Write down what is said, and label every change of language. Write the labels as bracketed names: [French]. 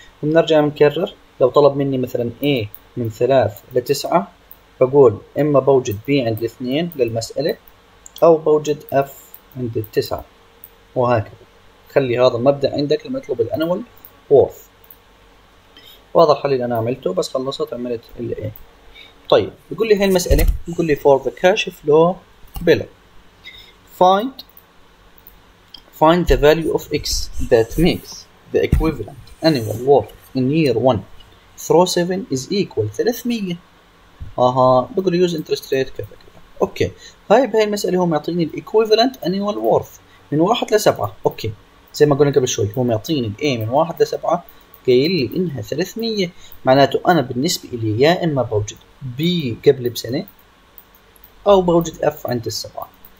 [Arabic] بنرجع نكرر، لو طلب مني مثلا اي من 3 لـ 9، بقول اما بوجد بي عند الاثنين للمسألة او بوجد اف عند الـ 9، وهكذا. خلي هذا المبدأ عندك لما يطلب الانول وورث. واضح حل اللي انا عملته، بس خلصت عملت اللي ايه. طيب بيقول لي هاي المسألة، بيقول لي [English] for the cash flow below find the value of x that makes the equivalent annual worth in year 1 through 7 is equal 300. [Arabic] اها بيقول [English] use interest rate [Arabic] كذا كذا. اوكي هاي بهاي المسألة هو معطيني الايكويفالنت annual worth من 1 ل 7. اوكي زي ما قلنا قبل شوي، هو معطيني الاي من 1 ل 7، قايل لي انها 300، معناته انا بالنسبه لي يا اما بوجد بي قبل بسنه او بوجد اف عند السبعه.